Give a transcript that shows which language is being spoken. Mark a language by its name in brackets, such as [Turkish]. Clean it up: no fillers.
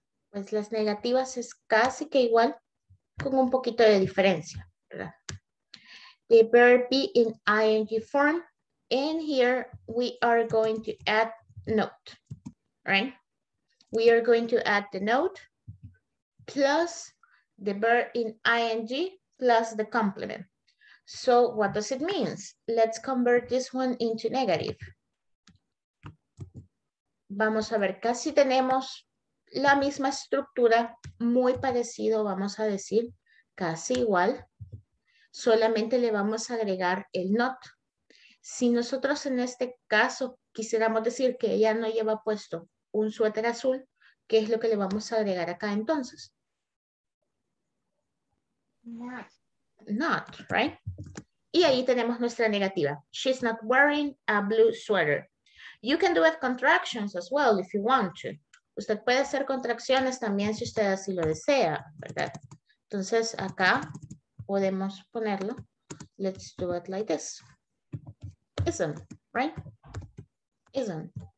[Spanish] Pues las negativas es casi que igual con un poquito de diferencia, ¿verdad? [English] The verb be in ing form. And here we are going to add note, right? We are going to add the note plus the verb in ing plus the complement. So what does it mean? Let's convert this one into negative. [Spanish] Vamos a ver, casi tenemos la misma estructura, muy parecido, vamos a decir, casi igual. Solamente le vamos a agregar el not. Si nosotros en este caso quisiéramos decir que ella no lleva puesto un suéter azul, ¿qué es lo que le vamos a agregar acá entonces? [English] Not, right? [Spanish] Y ahí tenemos nuestra negativa. [English] She's not wearing a blue sweater. You can do it contractions as well if you want to. [Spanish] Usted puede hacer contracciones también si usted así lo desea, ¿verdad? Entonces acá podemos ponerlo. [English] Let's do it like this. Isn't, right? Isn't.